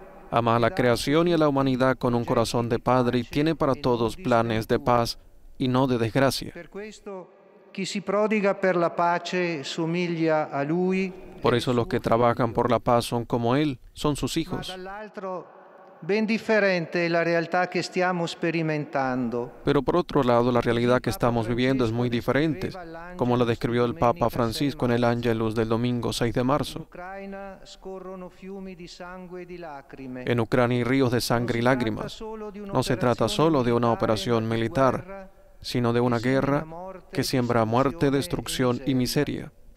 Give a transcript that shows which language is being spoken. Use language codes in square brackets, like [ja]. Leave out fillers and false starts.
[es] Ama a la creación y a la humanidad con un corazón de padre y tiene para todos planes de paz y no de desgracia. [it] Chi si prodiga per la pace somiglia a lui. [es] Por eso los que trabajan por la paz son como él, son sus hijos. [it] Ma dall'altro, ben differente la realtà che stiamo sperimentando. [es] Pero por otro lado, la realidad que estamos viviendo es muy diferente, como la describió el Papa Francisco en el Angelus del domingo 6 de marzo. En Ucrania hay ríos de sangre y lágrimas. No se trata solo de una operación militar, sino de una guerra que siembra muerte, destrucción y miseria.